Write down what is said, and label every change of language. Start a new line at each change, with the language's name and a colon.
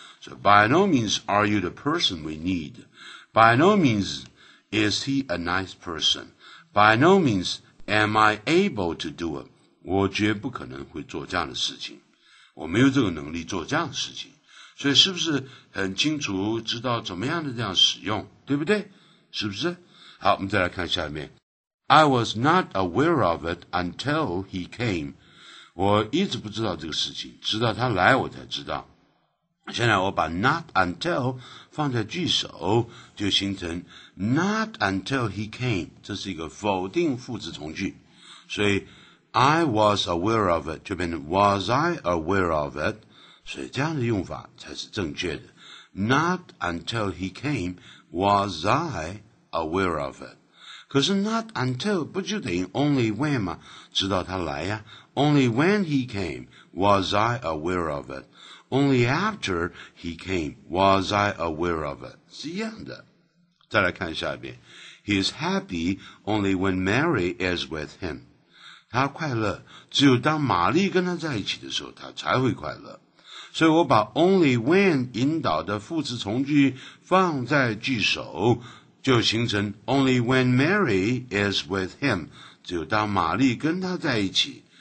English: So by no means are you the person we need, by no means is he a nice person, by no means am I able to do it,
Chinese: 我绝不可能会做这样的事情，我没有这个能力做这样的事情。所以是不是很清楚知道怎么样的这样使用，对不对？是不是？好，我们再来看下面。
English: I was not aware of it until he came.
Chinese: 我一直不知道这个事情，直到他来我才知道。现在我把 not until 放在句首，就形成
English: not until he came.
Chinese: 这是一个否定副词从句。所以
English: I was aware of it
Chinese: 就变成
English: was I aware of it.
Chinese: 所以这样的用法才是正确的。
English: Not until he came was I aware of it.
Chinese: 可是
English: not until
Chinese: 不就等于
English: only when
Chinese: 吗？直到他来呀。
English: Only when he came was I aware of it. Only after he came was I aware of it.
Chinese: 是一样的。再来看下一遍。
English: He is happy only when Mary is with him.
Chinese: 他快乐只有当玛丽跟他在一起的时候他才会快乐。所以我把
English: only when
Chinese: 引导的副词从句放在句首，就形成
English: only when Mary is with him,
Chinese: 只有当玛丽跟他在一起。